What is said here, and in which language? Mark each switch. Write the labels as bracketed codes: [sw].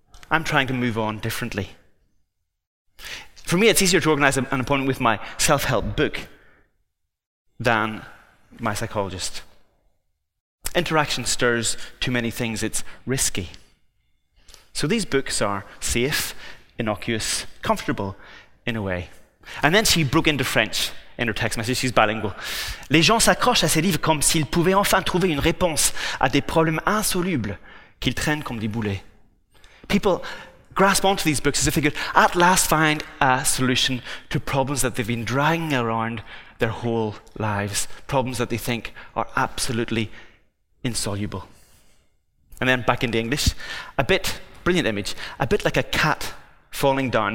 [en] I'm trying to move on differently. For me, it's easier to organize an appointment with my self-help book than my psychologist. Interaction stirs too many things. It's risky. So these books are safe, innocuous, comfortable in a way. And then she broke into French. In her text message, she's bilingual. [fr] Les gens s'accrochent à ces livres comme s'ils pouvaient enfin trouver une réponse à des problèmes insolubles qu'ils traînent comme des boulets. [en] People grasp onto these books as if they could at last find a solution to problems that they've been dragging around their whole lives, problems that they think are absolutely insoluble. And then back into English, a bit, brilliant image, a bit like a cat falling down.